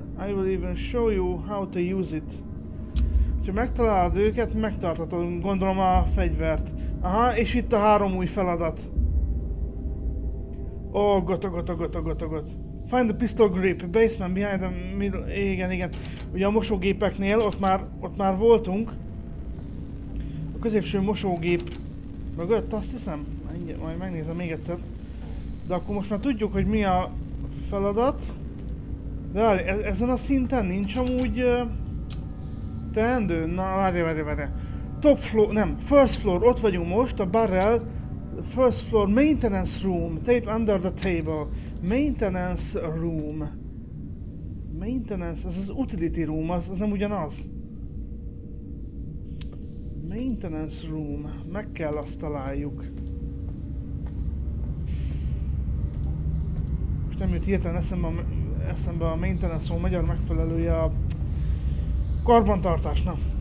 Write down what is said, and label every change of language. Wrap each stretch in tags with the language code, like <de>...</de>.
<en>I will even show you how to use it.</en> <hu>Ha megtalálod őket, megtartatod, gondolom, a fegyvert. Aha, és itt a három új feladat.</hu> <en>Oh, gotogotogotogotogot. Find the pistol grip, basement behind the middle...</en> <hu>Igen. Ugye a mosógépeknél, ott már voltunk. A középső mosógép mögött, azt hiszem? Majd megnézem még egyszer. De akkor most már tudjuk, hogy mi a feladat. De várj, ezen a szinten nincs amúgy teendő? Na, várj.</hu> <en>Top floor,</en> <hu>nem,</hu> <en>first floor,</en> <hu>ott vagyunk most, a barrel.</hu> <en>First floor, maintenance room, tape under the table. Maintenance room.</en> <hu>Maintenance, ez az utility room, az nem ugyanaz. Maintenance room, meg kell azt találjuk. Most nem jut hirtelen eszembe a maintenance szó magyar megfelelője a karbantartásnak.</hu>